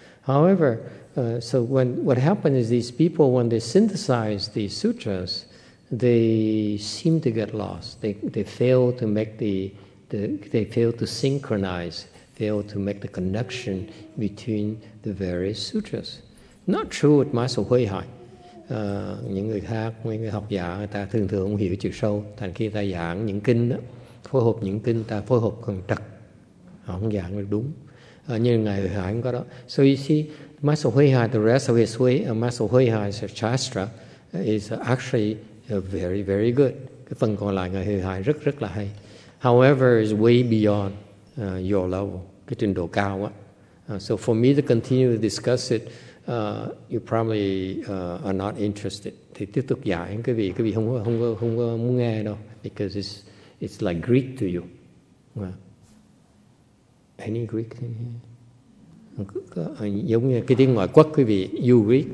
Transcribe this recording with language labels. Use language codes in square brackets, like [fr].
[en] However, so when what happened is these people, when they synthesize the sutras, they seem to get lost. They fail to make they fail to synchronize, fail to make the connection between the various sutras. Not true with Master Huy Hải. [vi] Những người khác, mấy người học giả, người ta thường thường không hiểu chiều sâu. Thành khi ta giảng những kinh đó, phối hợp những kinh, ta phối hợp còn trật, họ không giảng được đúng. Như Ngài Huy Hải cũng có đó. [en] So you see, Master Huy Hải, the rest of his way, Master Huy Hải's Shastra is actually very, very good. [vi] Cái phần còn lại Ngài Huy Hải rất, rất là hay. [en] However, it's way beyond your level, [vi] cái trình độ cao á. [en] So for me to continue to discuss it, you probably are not interested. [vi] Thì tiếp tục giải, quý vị không có muốn nghe đâu, [en] because it's like Greek to you. Any Greek in here? [vi] Giống như cái tiếng ngoại quốc, quý vị, [en] you Greek?